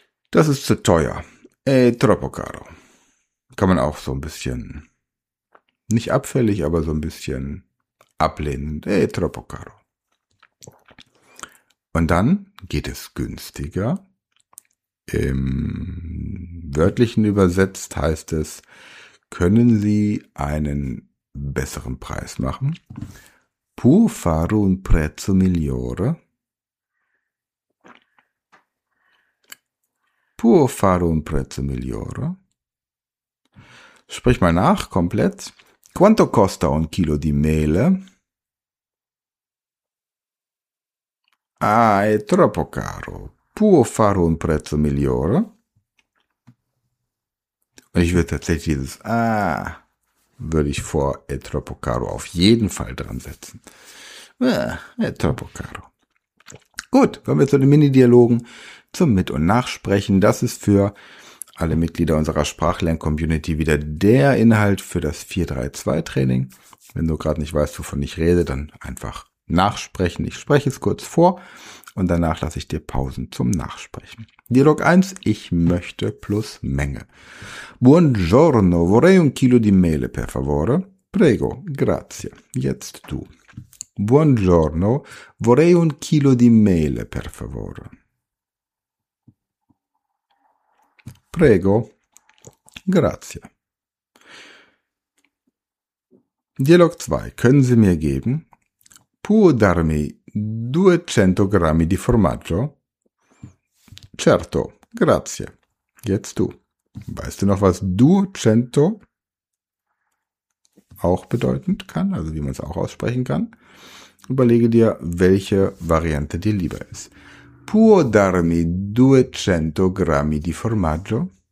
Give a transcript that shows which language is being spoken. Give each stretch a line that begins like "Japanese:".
German: Das ist zu teuer.
Italian: Troppo caro.
German: Kann man auch so ein bisschen, nicht abfällig, aber so ein bisschen ablehnend. Troppo caro. Und dann geht es günstiger. Im Wörtlichen übersetzt heißt es, können Sie einen besseren Preis machen?
Italian: Può fare un prezzo migliore? Può fare un prezzo migliore?
German: Sprich mal nach, komplett.
Italian: Quanto costa un chilo di mele? Ah, è troppo caro. Può fare un prezzo migliore?
German: Und ich würde tatsächlich dieses Ah, würde ich vor
Italian: è troppo caro
German: auf jeden Fall dran setzen.
Italian: Ah, è troppo caro.
German: Gut, kommen wir zu den Mini-Dialogen. Zum Mit- und Nachsprechen, das ist für alle Mitglieder unserer Sprachlern-Community wieder der Inhalt für das 4-3-2-Training. Wenn du gerade nicht weißt, wovon ich rede, dann einfach nachsprechen. Ich spreche es kurz vor und danach lasse ich dir Pausen zum Nachsprechen. Dialog 1, ich möchte plus Menge.
Italian: Buongiorno, vorrei un chilo di mele, per favore. Prego, grazie.
German: Jetzt du.
Italian: Buongiorno, vorrei un chilo di mele, per favore. Prego. Grazie.
German: Dialog 2. Können Sie mir geben?
Italian: Può darmi 200 grammi di formaggio? Certo. Grazie.
German: Jetzt du. Weißt du noch, was 200 auch bedeutend kann? Also wie man es auch aussprechen kann? Überlege dir, welche Variante dir lieber ist.
Italian: Può darmi 200 grammi di formaggio?